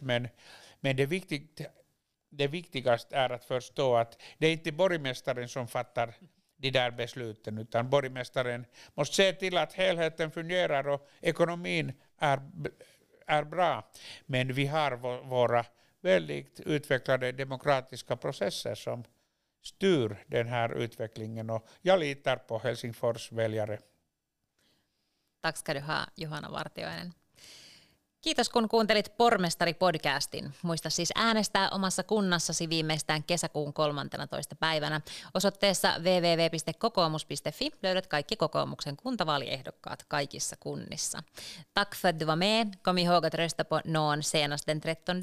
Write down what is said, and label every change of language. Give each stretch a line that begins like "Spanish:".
Swedish: Men det är viktigt. Det viktigaste är att förstå att det är inte borgmästaren som fattar de där besluten, utan borgmästaren måste se till att helheten fungerar och ekonomin är bra. Men vi har våra väldigt utvecklade demokratiska processer som styr den här utvecklingen, och jag litar på Helsingfors väljare. Tack ska du ha, Johanna Vartiainen.
Finnish: Kiitos kun kuuntelit Pormestari-podcastin. Muista siis äänestää omassa kunnassasi viimeistään kesäkuun 13. päivänä. Osoitteessa www.kokoomus.fi löydät kaikki kokoomuksen kuntavaaliehdokkaat kaikissa kunnissa.
Swedish: Tack för att du var med. Kom ihåg att rösta på någon senast den 13.